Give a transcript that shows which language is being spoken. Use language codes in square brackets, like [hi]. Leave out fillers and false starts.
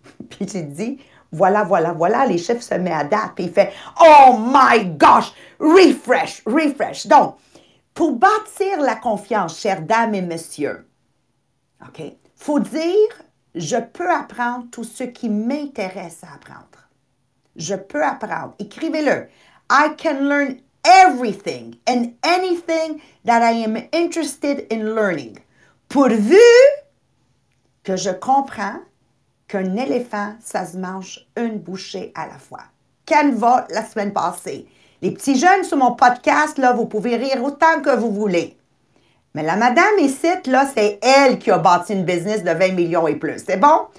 [fr] Puis j'ai dit: Voilà, les chiffres se mettent à date. Puis il fait: [en] Oh my gosh, refresh, refresh. [fr] Donc, pour bâtir la confiance, chères dames et messieurs, OK, faut dire: Je peux apprendre tout ce qui m'intéresse à apprendre. Je peux apprendre. Écrivez-le. [en] I can learn everything and anything that I am interested in learning. [fr] Pourvu que je comprends qu'un éléphant, ça se mange une bouchée à la fois. Canva la semaine passée. Les petits jeunes sur mon podcast, là, vous pouvez rire autant que vous voulez. Mais la madame ici, là, c'est elle qui a bâti une business de 20 millions et plus. C'est bon?